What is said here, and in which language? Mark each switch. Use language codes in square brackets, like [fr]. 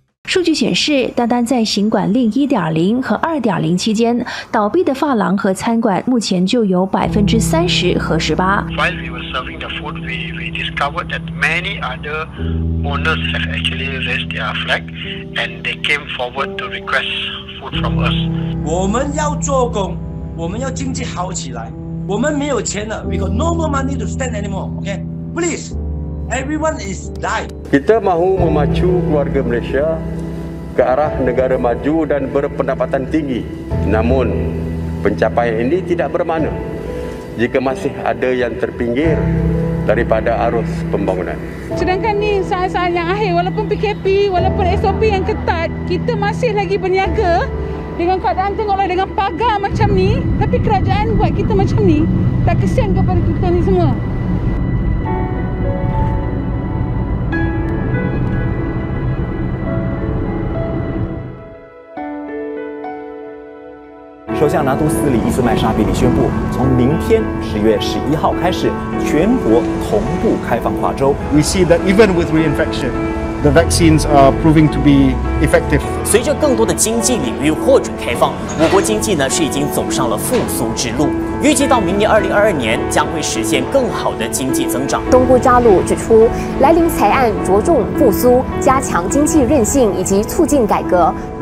[zh] 数据显示，单单在行管令 1.0 和 2.0 期间，倒闭的发廊和餐馆目前就有 30% 和 18%。 [en] While we were serving the food, we discovered that many other owners have actually raised their flag and they came forward to request food from us. [zh] 我们要做工，我们要经济好起来，我们没有钱了， [en] we got no more money to stand anymore, okay? Please! Everyone is dying. [ms] Kita mahu memacu keluarga Malaysia ke arah negara maju dan berpendapatan tinggi. Namun, pencapaian ini tidak bermakna jika masih ada yang terpinggir daripada arus pembangunan. Sedangkan ni saat-saat yang akhir, walaupun PKP, walaupun SOP yang ketat, kita masih lagi berniaga dengan keadaan tengoklah dengan pagar macam ni. Tapi kerajaan buat kita macam ni. Tak kesian kepada kita ni semua. [zh] 首相拿督斯里伊斯迈沙比里宣布，从明天10月11号开始，全国同步开放跨州。 [en] We see that even with reinfection, the vaccines are proving to be effective. [zh] 随着更多的经济领域获准开放，我国经济呢是已经走上了复苏之路。预计到明年2022年将会实现更好的经济增长。东部扎鲁指出，来临财案着重复苏、加强经济韧性以及促进改革。